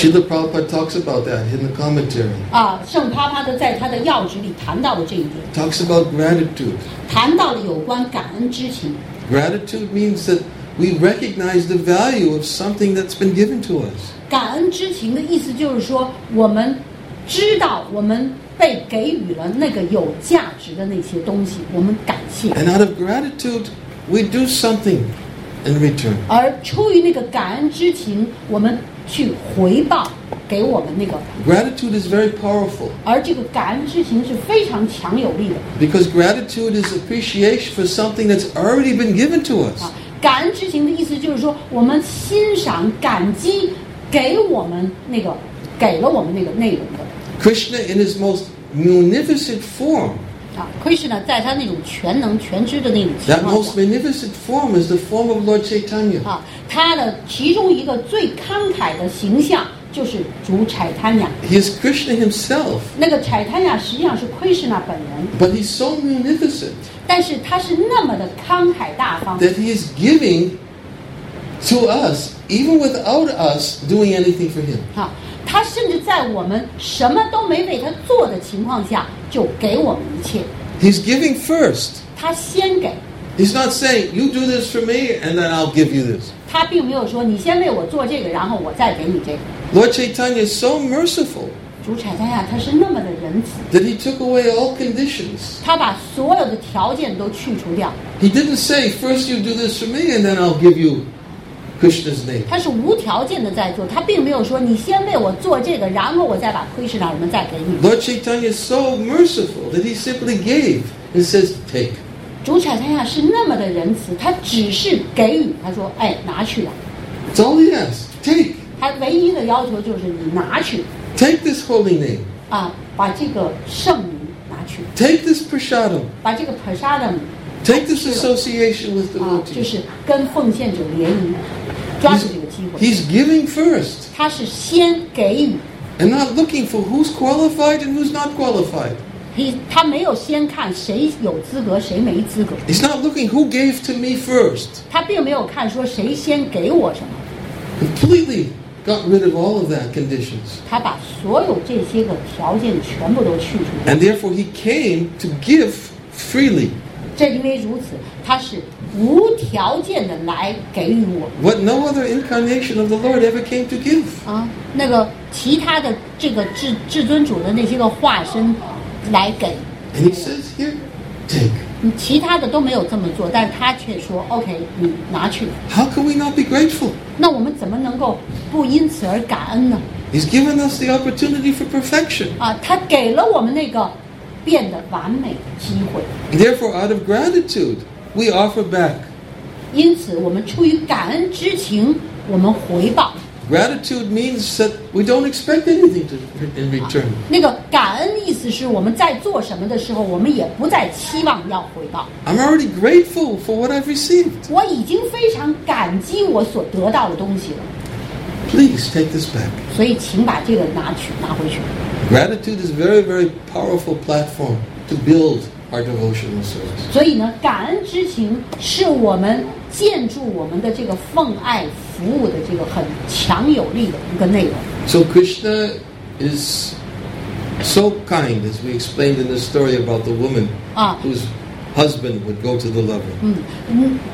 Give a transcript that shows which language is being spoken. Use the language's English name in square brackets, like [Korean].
[English] Srila Prabhupada talks about that in the commentary. [Chinese] 啊，圣帕帕的在他的要旨里谈到了这一点。 [English] Talks about gratitude. [Chinese] 谈到了有关感恩之情。 [English] Gratitude means that we recognize the value of something that's been given to us. [Chinese] 感恩之情的意思就是说，我们知道我们被给予了那个有价值的那些东西，我们感谢。 [English] And out of gratitude, we do something. In return. [Chinese] 而出于那个感恩之情，我们去回报给我们那个。 [English] Gratitude is very powerful. [Chinese] 而这个感恩之情是非常强有力的。 [English] Because gratitude is appreciation for something that's already been given to us. [Chinese] 感恩之情的意思就是说，我们欣赏、感激给我们那个，给了我们那个内容的。 [English] Krishna in his most munificent form. [Chinese] Krishna 在他那种全能全知的那种情况下 [English] That most magnificent form is the form of Lord Chaitanya. [Chinese] 他的其中一个最慷慨的形象就是主 Chaitanya. [English] He is Krishna himself. [Chinese] 那个 Chaitanya 实际上是 Krishna 本人。 [English] But he's so munificent. [Chinese] 但是他是那么的慷慨大方。 [English] That he is giving to us, even without us doing anything for him. [Chinese] 他甚至在我们什么都没为他做的情况下就给我们一切。 [English] He's giving first. [Chinese] 他先给。 [English] He's not saying, you do this for me, and then I'll give you this. [Chinese] 他并没有说你先为我做这个然后我再给你这个。 [English] Lord Chaitanya is so merciful. [Chinese] 主产丹亚他是那么的仁慈。 [English] That he took away all conditions. [Chinese] 他把所有的条件都去除掉。 [English] He didn't say, first you do this for me, and then I'll give you Krishna's name. [Chinese] 他是无条件的在做，他并没有说你先为我做这个，然后我再把 Krishna 我们再给你。 [English] Lord Chaitanya is so merciful that he simply gave and says, "Take." [Chinese] 主 Chaitanya 是那么的仁慈，他只是给予，他说，哎，拿去了。 [English] It's all he asks, take. [Chinese] 他唯一的要求就是你拿去。 [English] Take this holy name. [Chinese] 啊，把这个圣名拿去。 [English] Take this prasadam. [Chinese] 把这个 prasadam。 [English] Take this association with the devotee. [Chinese] 就是跟奉献者联谊。 [English] He's giving first. [Chinese] 他是先给予。 [English] And not looking for who's qualified and who's not qualified. [Chinese] 他没有先看谁有资格，谁没资格。 [English] He's not looking who gave to me first. [Chinese] 他并没有看说谁先给我什么。 [English] Completely got rid of all of that conditions. [Chinese] 他把所有这些个条件全部都去除。 [English] And therefore he came to give freely. [Chinese] 正因为如此，他是。无条件的来给予我。 [English] What no other incarnation of the Lord ever came to give? [Chinese] 啊，那个其他的这个至尊主的那些个化身来给。 [English] And he says, "Here, take." [Chinese] 其他的都没有这么做，但他却说 ，OK， 你拿去。 [English] How can we not be grateful? [Chinese] 那我们怎么能够不因此而感恩呢 [English] ？He's given us the opportunity for perfection. [Chinese] 啊，他给了我们那个变得完美的机会。 [English] Therefore, out of gratitude. We offer back. [Chinese] 因此，我们出于感恩之情，我们回报。 [English] Gratitude means that we don't expect anything in return. [Chinese] 那个感恩意思是我们在做什么的时候，我们也不再期望要回报。 [English] I'm already grateful for what I've received. [Chinese] 我已经非常感激我所得到的东西了。 [English] Please take this back. [Chinese] 所以，请把这个拿回去。 [English] Gratitude is a very, very powerful platform to build. Our devotional service. [Chinese] 所以呢，感恩之情是我们建筑我们的这个奉爱服务的这个很强有力的一个内容。 [English] So Krishna is so kind, as we explained in the story about the woman whose husband would go to the lover.